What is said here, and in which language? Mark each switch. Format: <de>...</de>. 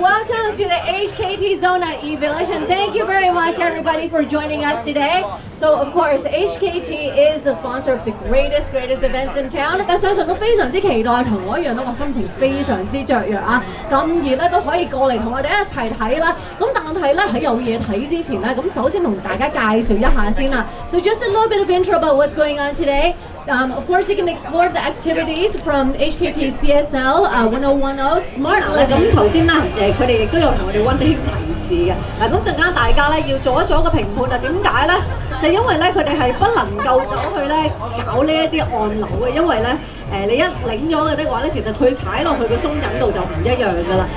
<en>Welcome to the HKT Zone at eVillage, and thank you very much, everybody, for joining us today. So, of course, HKT is the sponsor of the greatest events in town.</en> <yue>相信都非常之期待，同我一樣都話心情非常之雀躍啊！咁而咧都可以過嚟同我哋一齊睇啦。咁但係咧喺有嘢睇之前咧，咁首先同大家介紹一下先啦。</yue> <en>So just a little bit of intro about what's going on today. Of course, you can explore the activities from HKT CSL 1010 Smart.</en> <yue>咁剛才咧，佢哋亦都有同我哋温馨提示嘅。咁陣間大家咧要做一做一個評判啊？點解咧？就因為咧，佢哋係不能夠走去咧搞呢一啲按鈕嘅，因為咧。你一領咗嘅的話咧，其實佢踩落去嘅鬆緊度就唔一樣噶啦。</yue>